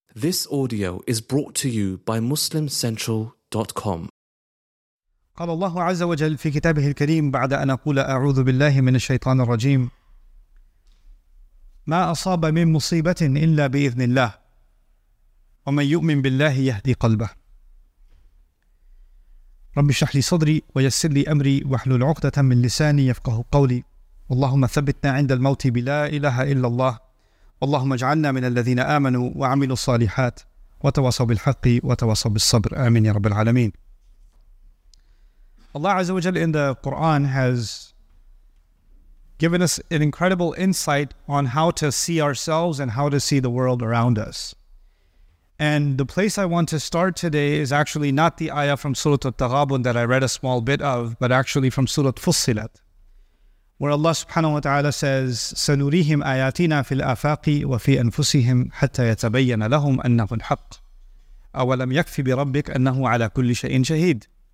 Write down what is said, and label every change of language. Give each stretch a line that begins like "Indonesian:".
English: This audio is brought to you by MuslimCentral.com.
Arabic: قال الله عز وجل في كتابه الكريم بعد أن أقول أعوذ بالله من الشيطان الرجيم ما أصاب من مصيبة إلا بإذن الله ومن يؤمن بالله يهدي قلبه رب اشرح لي صدري ويسر لي أمري واحلل عقدة من لساني يفقه قولي اللهم ثبتنا عند الموت بلا إله إلا الله اللهم اجعلنا من الذين آمنوا وعملوا الصالحات وتواصوا بالحق وتواصوا بالصبر آمين يا رب العالمين.
English: Allah Azza wa Jalla in the Quran has given us an incredible insight on how to see ourselves and how to see the world around us. And the place I want to start today is actually not the ayah from Surah At-Taghabun that I read a small bit of, but actually from Surah Fussilat, where Allah subhanahu wa ta'ala says,
Arabic: سَنُرِيهِمْ آيَاتِنَا فِي الْآفَاقِ وَفِي أَنفُسِهِمْ حَتَّى يَتَبَيَّنَ لَهُمْ أَنَّهُ الْحَقِّ أَوَلَمْ يَكْفِ بِرَبِّكَ أَنَّهُ عَلَى كُلِّ شَيْءٍ شَهِيدٍ.